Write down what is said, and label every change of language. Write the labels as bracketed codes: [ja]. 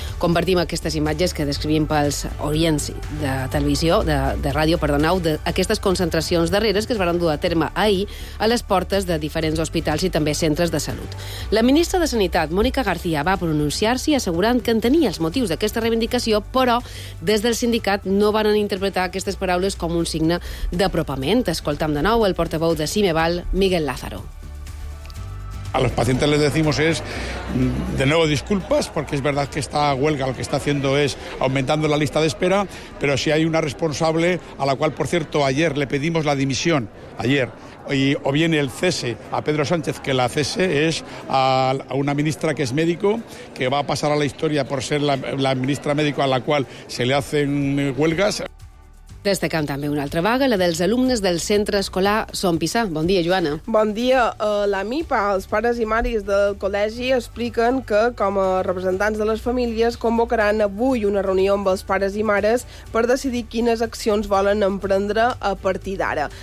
[ca] Compartim aquestes imatges que descrivim pels orients de televisió, de ràdio, perdoneu, d'aquestes concentracions darreres que es van dur a terme ahir a les portes de diferents hospitals i també centres de salut. La ministra de Sanitat, Mònica García, va pronunciar-s'hi assegurant que entenia els motius d'aquesta reivindicació, però des del sindicat no van interpretar aquestes paraules com un signe d'apropament. Escoltam de nou el portaveu de Cimeval, Miguel Lázaro. [es] A los pacientes les decimos es, de nuevo, disculpas, porque es verdad que esta huelga lo que está haciendo es aumentando la lista de espera, pero si hay una responsable a la cual, por cierto, ayer le pedimos la dimisión, ayer, y, o viene el cese a Pedro Sánchez, que la cese es a una ministra que es médico, que va a pasar a la historia por ser la ministra médico a la cual se le hacen huelgas. [ca] Destacant també una altra vaga, la dels alumnes del centre escolar Son Pisà. Bon dia, Joana. Bon dia. La MIPA, els pares i mares del col·legi, expliquen que, com a representants de les famílies, convocaran avui una reunió amb els pares i mares per decidir quines accions volen emprendre a partir d'ara.